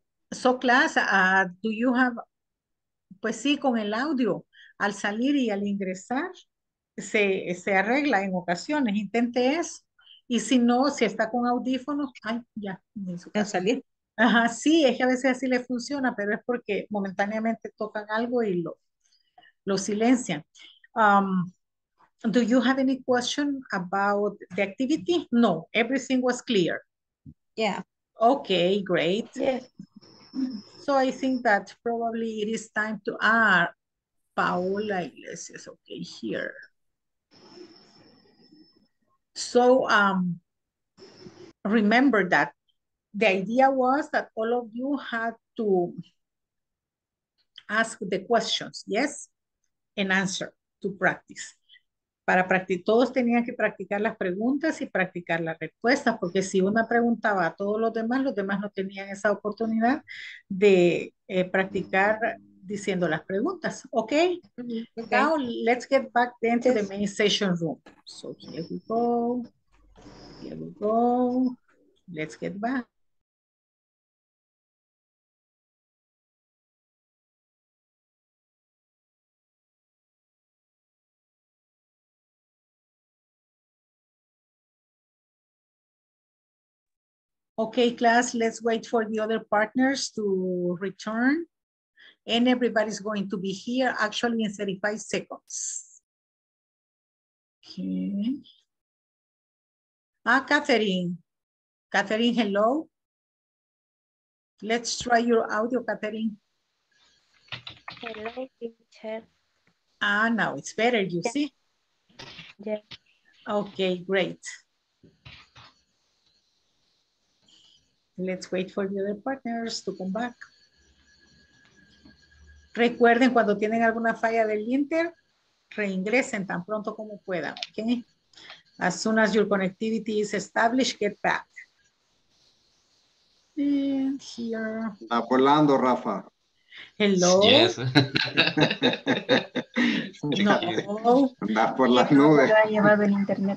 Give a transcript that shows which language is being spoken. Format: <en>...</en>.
<en>So, class, do you have,</en> <es>pues sí, con el audio, al salir y al ingresar, se arregla en ocasiones. Intente eso. Y si no, si está con audífonos, ay, ya, me hizo salir. Ajá, sí, es que a veces así le funciona, pero es porque momentáneamente tocan algo y lo silencian.</es> <en>Do you have any question about the activity? No, everything was clear. Yeah. Okay, great. Yes. So I think that probably it is time to add Paola Iglesias, okay, here. So remember that the idea was that all of you had to ask the questions, yes, and answer to practice.</en> <es>Para practicar, todos tenían que practicar las preguntas y practicar las respuestas, porque si una preguntaba a todos los demás no tenían esa oportunidad de practicar diciendo las preguntas.</es> <en>Okay? Okay. Now let's get back then to the main session room. So here we go. Here we go. Let's get back. Okay, class, let's wait for the other partners to return. And everybody's going to be here actually in 35 seconds. Okay. Ah, Katherine. Katherine, hello. Let's try your audio, Katherine. Hello, teacher. Ah, now it's better, you yeah. See? Yeah. Okay, great. Let's wait for the other partners to come back.</en> <es>Recuerden, cuando tienen alguna falla del inter, reingresen tan pronto como puedan, okay?</es> <en>As soon as your connectivity is established, get back. And here.</en> <es>Está volando, Rafa.</es> <en>Hello. Yes. No.</en> <es>Está por las nubes. Ha llevado el internet.</es>